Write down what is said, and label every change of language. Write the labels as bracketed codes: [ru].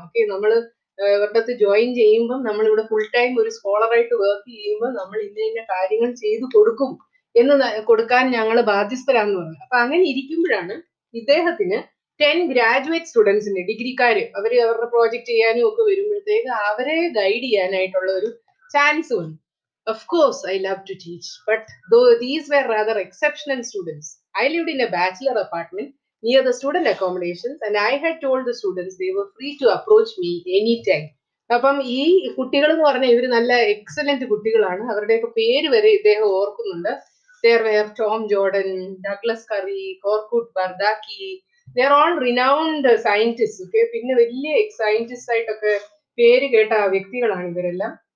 [ml] Okay, നമ്മൾ ഇവരുടെ അടുത്ത് ജോയിൻ ചെയ്യുമ്പം നമ്മളിവിടെ ഫുൾ ടൈം ഒരു സ്കോളറായിട്ട് വർക്ക് ചെയ്യുമ്പോൾ നമ്മൾ ഇന്ന ഇന്ന കാര്യങ്ങൾ ചെയ്തു കൊടുക്കും എന്ന് കൊടുക്കാൻ ഞങ്ങൾ ബാധ്യസ്ഥരാന്ന് പറഞ്ഞു. അപ്പൊ അങ്ങനെ ഇരിക്കുമ്പോഴാണ് ഇദ്ദേഹത്തിന് 10 graduate സ്റ്റുഡൻസിന്റെ ഡിഗ്രിക്കാര് അവര് അവരുടെ പ്രോജക്ട് ചെയ്യാനും ഒക്കെ വരുമ്പോഴത്തേക്ക് അവരെ ഗൈഡ് ചെയ്യാനായിട്ടുള്ള ഒരു ചാൻസ് വന്നു. [en] Of course, I love to teach, but though these were rather exceptional students, I lived in a bachelor apartment near the student accommodations and I had told the students they were free to approach me anytime. [ml] അപ്പം ഈ കുട്ടികൾ എന്ന് പറഞ്ഞാൽ ഇവർ നല്ല excellent കുട്ടികളാണ്. അവരുടെയൊക്കെ പേര് വരെ ഇദ്ദേഹം ഓർക്കുന്നുണ്ട്. [en] there were [ml] Tom Jordan, Douglas curry, കോർക്കൂട്ട് ബർദാക്കി, [en] They're all renowned scientist. [ml] Okay, പിന്നെ വലിയ സയന്റിസ്റ്റ് ആയിട്ടൊക്കെ പേര് കേട്ട വ്യക്തികളാണ് ഇവരെല്ലാം.